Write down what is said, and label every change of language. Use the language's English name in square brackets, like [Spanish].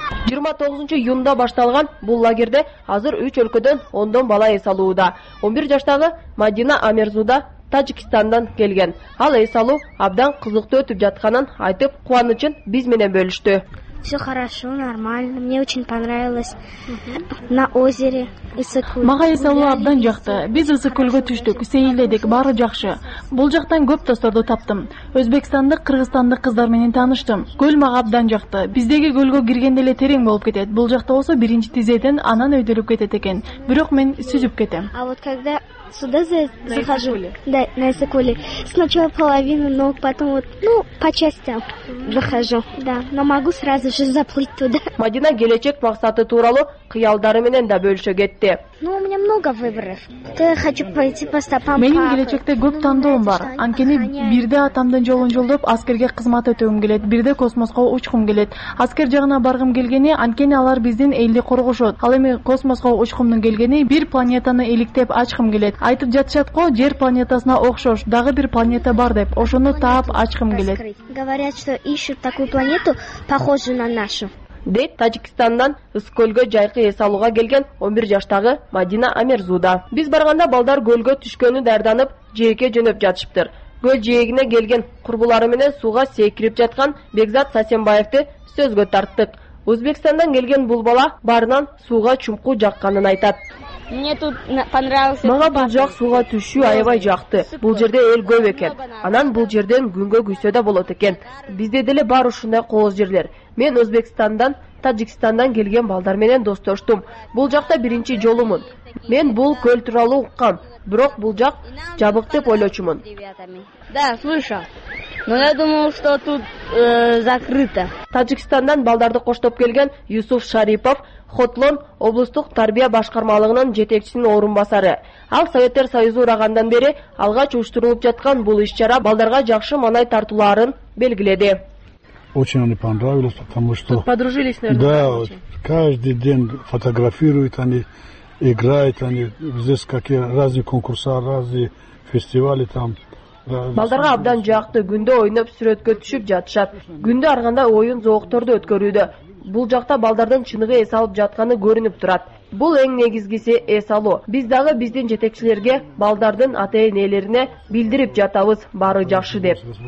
[Kyrgyz] 29 июнда башталган бул лагерде азыр 3 өлкөдөн 10 бала эс алууда. 11 жаштагы Мадина Амерзуда Тажикстандан келген. Ал эс алуу абдан кызыктуу өтүп жатканын айтып, кубанычын биз менен бөлүштү. [Russian] Все хорошо, нормально. Мне очень понравилось на озере Ысык Көл. [Kyrgyz] Мага эс алуу абдан жакты. Биз Ысык Көлгө түштүк, сейилдедик, баары жакшы. Бул жактан көп досторду таптым. Өзбекстандык, кыргызстандык кыздар менен тааныштым. Көл мага абдан жакты. Биздеги көлгө киргенде эле терең болуп кетет. Бул жакта болсо биринчи тизеден анан өйдөлүп кетет экен. Бирок мен сүзүп кетем. [Russian] А вот когда сюда захожу, да, на Ысык Көлү. Сначала половину ног, потом вот, ну, по частям захожу. Да, но могу сразу же заплыть туда. [Kyrgyz] Мадина келечек максаты тууралуу кыялдары менен да бөлүшө кетти. [Russian] Ну, у меня много выборов. Я хочу пойти по стопам. [Kyrgyz] Менин келечекте көп тандоом бар. Анткени бирде атамдын жолун жолдоп, аскерге кызмат өтөгүм келет, бирде космоско учкум келет. Аскер жагына баргым келгени, анткени алар биздин элди коргошот. Ал эми космоско учкумдун келгени бир планетаны иликтеп ачкым келет. Айтып жатышат го, жер планетасына окшош дагы бир планета бар деп, ошону таап ачкым келет. [Russian] Говорят, что ищут такую планету, похожую на нашу. [Kyrgyz] Деп Тажикстандан Ысык Көлгө жайкы эс алууга келген 11 жаштагы Мадина Амерзуда. Биз барганда балдар көлгө түшкөнү даярданып, жээкке жөнөп жатышыптыр. Көл жээгине келген курбулары менен сууга секирип жаткан Бекзат Сасенбаевди сөзгө тарттык. Өзбекстандан келген бул бала барынан сууга чумкуу жакканын айтат. [Russian] Мне тут понравилось. [Kyrgyz] Мага бул жак сууга түшүү аябай жакты. Бул жерде эл көп экен. Анан бул жерден күнгө күйсө да болот экен. Бизде деле бар ушундай кооз жерлер. Мен Өзбекстандан, Тажикстандан келген балдар менен достоштум. Бул жакта биринчи жолумун. Мен бул көл тууралуу уккам, бирок бул жак жабык деп ойлочумун. [Russian] Да, слышал. Но я думал, что тут закрыто. [Kyrgyz] Тажикстандан балдарды коштоп келген Юсуф Шарипов Хотлон облустук тарбия башкармалыгынын жетекчисинин орун басары. Ал Советтер Союзу урагандан бери алгач уюштурулуп жаткан бул иш-чара балдарга жакшы маанай тартууларын белгиледи. [Russian] Очень они понравились, потому что... Тут подружились, наверное, да, очень. Каждый день фотографируют они, играют они. Здесь какие разные конкурсы, разные фестивали там. [Kyrgyz] Балдарга абдан жакты, күндө ойноп сүрөткө түшүп жатышат. Күндө ар кандай оюн зоокторду өткөрүүдө. Бул жакта балдардын чыныгы эс алып жатканы көрүнүп турат. Бул эң негизгиси эс алуу. Биз дагы биздин жетекчилерге, балдардын ата-энелерине билдирип жатабыз, баары жакшы деп.